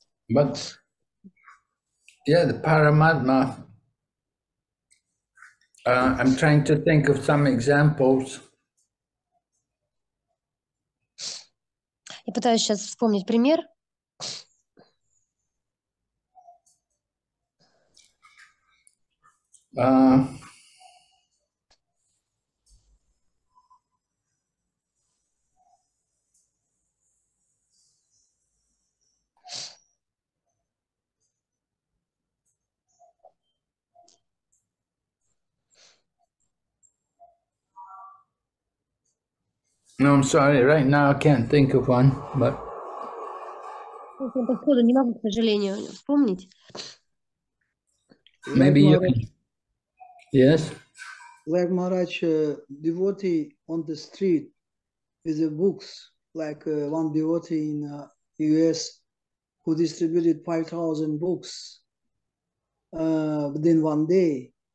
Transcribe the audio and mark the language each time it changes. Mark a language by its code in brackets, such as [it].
[en] But yeah, the Paramatma, I'm trying to think of some examples. [ru] Я пытаюсь сейчас вспомнить пример. [en] No, I'm sorry. Right now, I can't think of one. But [ru] не могу, к сожалению, вспомнить. [en] Maybe you can. Yes. Like Maharaj, devotee on the street with the books, like one devotee in U.S. who distributed 5,000 books within one day.